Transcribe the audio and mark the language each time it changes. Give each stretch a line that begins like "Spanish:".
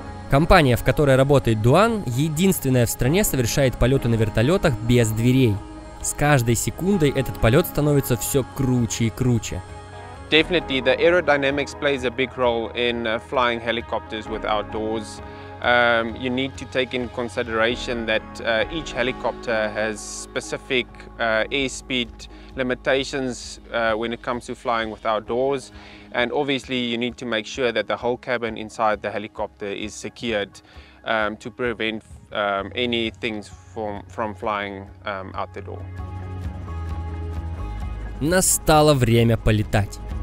Russian: Компания, в которой работает Дуан, единственная в стране совершает полеты на вертолетах без дверей. С каждой секундой этот полет становится все круче и круче.
English: Definitely, the aerodynamics plays a big role in flying helicopters without doors. You need to take in consideration that each helicopter has specific airspeed limitations when it comes to flying without doors. And obviously, you need to make sure that the whole cabin inside the helicopter is secured. to prevent any things from flying out the door.
Russian: Настало время полетать.